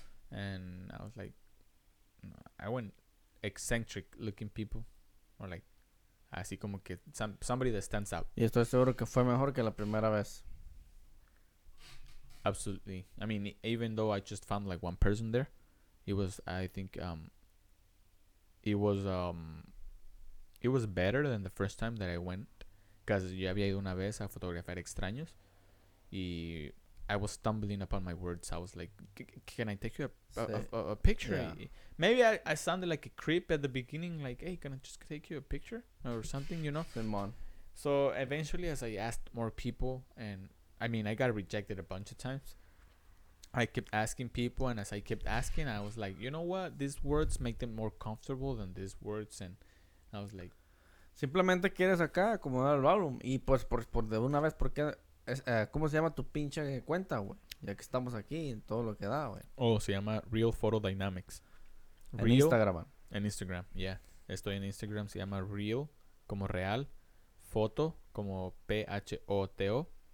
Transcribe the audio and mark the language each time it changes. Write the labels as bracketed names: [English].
[English] And I was like, no, I went eccentric looking people, or like, [Spanish] así como que [English] somebody that stands out. [Spanish] Y estoy seguro que fue mejor que la primera vez. [English] Absolutely. I mean, even though I just found like one person there, it was better than the first time that I went, because [Spanish] yo había ido una vez a fotografiar extraños, y [English] I was stumbling upon my words. I was like, can I take you a picture? Yeah. Maybe I sounded like a creep at the beginning, like, hey, can I just take you a picture or something, you know? So eventually, as I asked more people, and I mean, I got rejected a bunch of times. I kept asking people, and as I kept asking, I was like, you know what? These words make them more comfortable than these words, and I was like... [Spanish] Simplemente quieres acá acomodar el álbum, y pues por de una vez, porque ¿cómo se llama tu pinche cuenta, güey? Ya que estamos aquí, en todo lo que da, güey. Oh, se llama Real Photo Dynamics. Real, en Instagram. En Instagram, [English] yeah. [Spanish] Estoy en Instagram, se llama Real, como real, Photo, como Photo.